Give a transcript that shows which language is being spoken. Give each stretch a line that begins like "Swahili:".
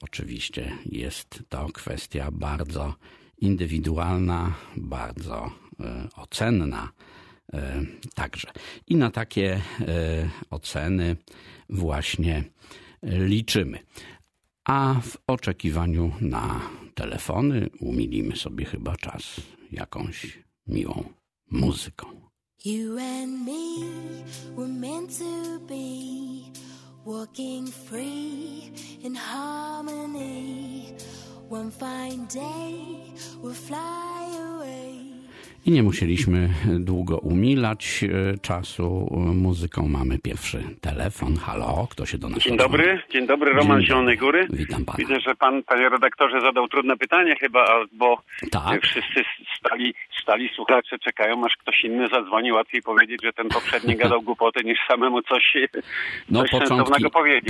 Polish: Oczywiście jest to kwestia bardzo indywidualna, bardzo ocenna także. I na takie oceny właśnie liczymy. A w oczekiwaniu na telefony umilimy sobie chyba czas jakąś miłą muzyką.
English: You and me were meant to be walking free in harmony. One fine day we'll fly away.
Polish: I nie musieliśmy długo umilać czasu muzyką. Mamy pierwszy telefon. Halo, kto się do nas... Dzień dobry, dzień dobry, Roman z Zielonej Góry. Witam pana. Widzę, że pan, panie redaktorze, zadał trudne pytanie chyba, bo tak. Wszyscy stali słuchacze, czekają, aż ktoś inny zadzwoni, łatwiej powiedzieć, że ten poprzedni gadał głupoty, niż samemu coś sensownego powiedzieć.